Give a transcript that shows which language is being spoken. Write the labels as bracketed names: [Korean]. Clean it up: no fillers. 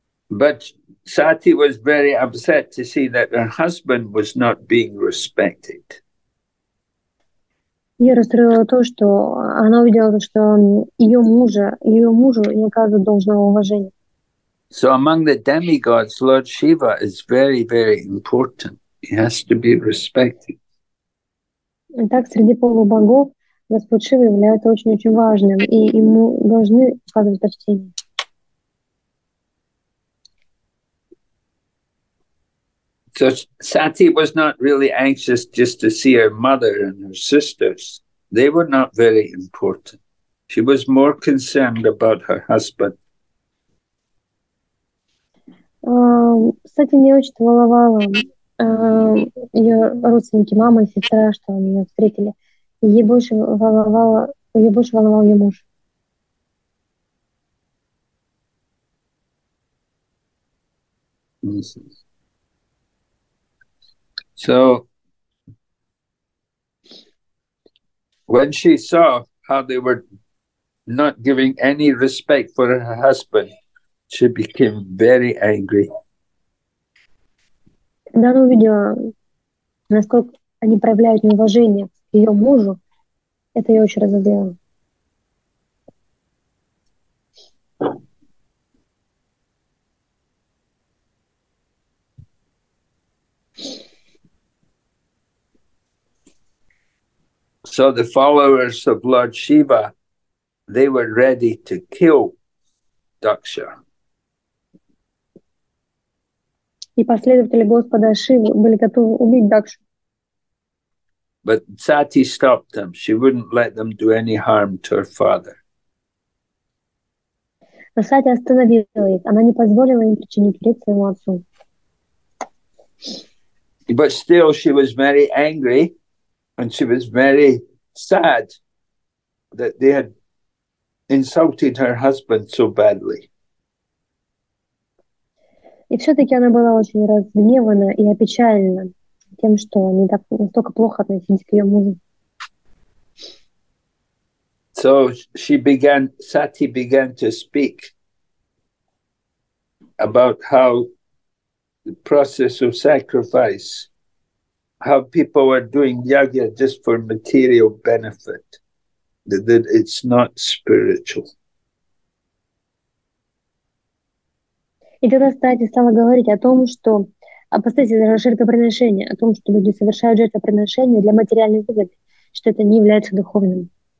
[English] But Sati was very upset to see that her husband was not being respected. [Russian] Ее расстроило то, что она увидела, что ее мужу не оказывают должного уважения. [English] So among the demigods, Lord Shiva is very, very important. He has to be respected. [Russian] Итак, среди полубогов Господь Шива является очень-очень важным, и ему должны оказывать почтение. [English] So Sati was not really anxious just to see her mother and her sisters. They were not very important. She was more concerned about her husband. [Russian] Кстати, не очень волновало ее родственники, мама и сестра, что они ее встретили. Ее больше волновал ее муж. [English] So when she saw how they were not giving any respect for her husband, she became very angry. [Russian] Когда она увидела, насколько они проявляют неуважение к ее мужу, это ее очень разозлило. [English] So the followers of Lord Shiva, they were ready to kill Daksha. [Russian] И последователи Господа Шивы были готовы убить Дакшу. [English] But Sati stopped them. She wouldn't let them do any harm to her father. [Russian] Но Сати остановила их. Она не позволила им причинить вред своему отцу. [English] But still she was very angry and she was very sad that they had insulted her husband so badly. [Russian] И все-таки она была очень разгневана и опечалена тем, что они так настолько плохо относились к ее мужу. [English] So she began, Sati began to speak about how the process of sacrifice, how people are doing yajna just for material benefit, that it's not spiritual. [Russian] И тогда Сати стала говорить о том, что апостасия жертвоприношения, о том, что люди совершают жертвоприношение для материальной выгоды, что это не является духовным.